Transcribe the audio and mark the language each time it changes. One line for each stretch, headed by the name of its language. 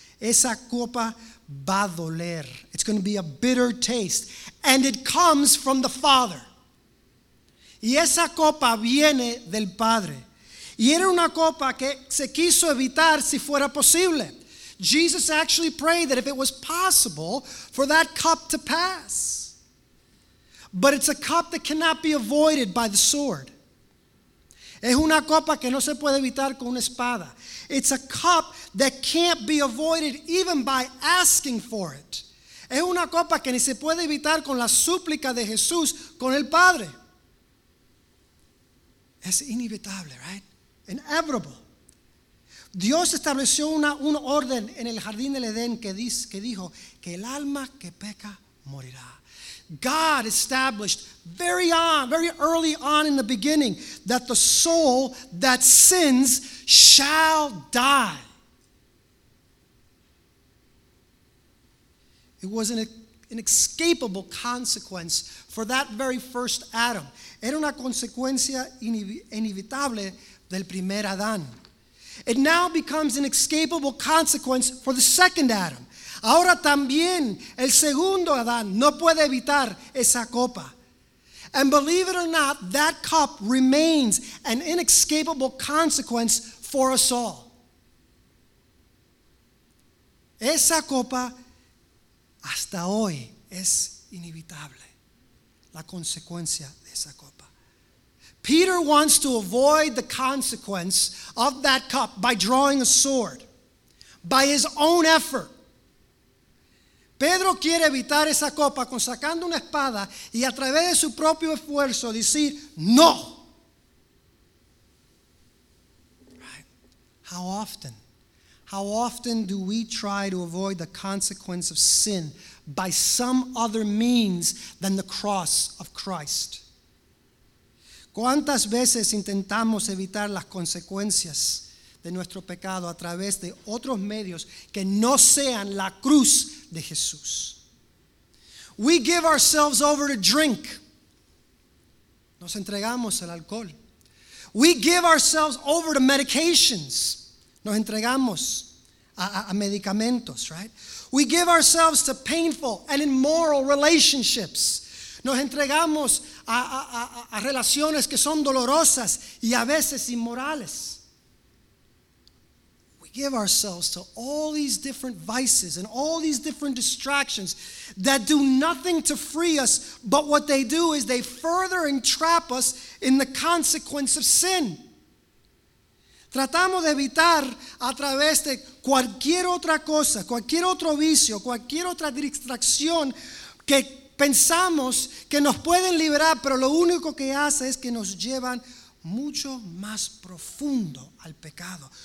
Spanish: Esa copa va a doler.
English: It's going to be a bitter taste. And it comes from the Father.
Spanish: Y esa copa viene del Padre. Y era una copa que se quiso evitar si fuera posible.
English: Jesus actually prayed that if it was possible for that cup to pass. But it's a cup that cannot be avoided by the sword.
Spanish: Es una copa que no se puede evitar con una espada.
English: It's a cup that can't be avoided even by asking for it.
Spanish: Es una copa que ni se puede evitar con la súplica de Jesús con el Padre. Es inevitable, right? Inevitable. Dios estableció un orden en el jardín del Edén que dijo que el alma que peca morirá.
English: God established very early on in the beginning that the soul that sins shall die. It was an inescapable consequence for that very first Adam.
Spanish: Era una consecuencia inevitable del primer Adán.
English: It now becomes an inescapable consequence for the second Adam.
Spanish: Ahora también el segundo Adán no puede evitar esa copa.
English: And believe it or not, that cup remains an inescapable consequence for us all.
Spanish: Esa copa hasta hoy es inevitable, la consecuencia de esa copa.
English: Peter wants to avoid the consequence of that cup by drawing a sword, by his own effort.
Spanish: Pedro quiere evitar esa copa con sacando una espada y a través de su propio esfuerzo decir no.
English: Right. How often do we try to avoid the consequence of sin by some other means than the cross of Christ?
Spanish: ¿Cuántas veces intentamos evitar las consecuencias de nuestro pecado a través de otros medios que no sean la cruz de Jesús?
English: We give ourselves over to drink.
Spanish: Nos entregamos al alcohol.
English: We give ourselves over to medications.
Spanish: Nos entregamos a medicamentos,
English: right? We give ourselves to painful and immoral relationships.
Spanish: Nos entregamos a relaciones que son dolorosas y a veces inmorales.
English: We give ourselves to all these different vices and all these different distractions that do nothing to free us, but what they do is they further entrap us in the consequence of sin.
Spanish: Tratamos de evitar a través de cualquier otra cosa, cualquier otro vicio, cualquier otra distracción que pensamos que nos pueden liberar, pero lo único que hace es que nos llevan mucho más profundo al pecado.